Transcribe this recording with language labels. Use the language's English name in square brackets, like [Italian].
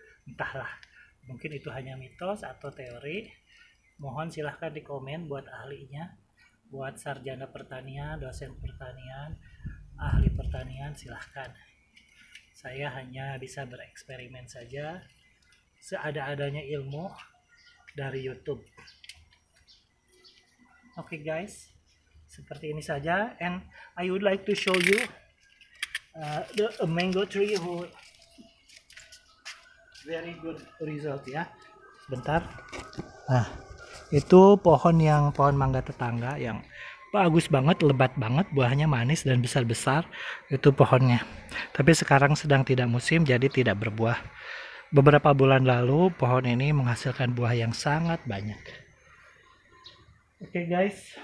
[Indonesian] Entahlah, mungkin itu hanya mitos atau teori. Mohon silahkan dikomen buat ahlinya, buat sarjana pertanian, dosen pertanian, ahli pertanian, silahkan. Saya hanya bisa bereksperimen saja, seada-adanya ilmu dari YouTube. Okay guys, seperti ini saja. [English] And I would like to show you the mango tree who very good result ya. [Indonesian] Bentar. Nah, itu pohon yang pohon mangga tetangga yang bagus banget, lebat banget, buahnya manis dan besar-besar, itu pohonnya. Tapi sekarang sedang tidak musim, jadi tidak berbuah. Beberapa bulan lalu, pohon ini menghasilkan buah yang sangat banyak. Okay guys.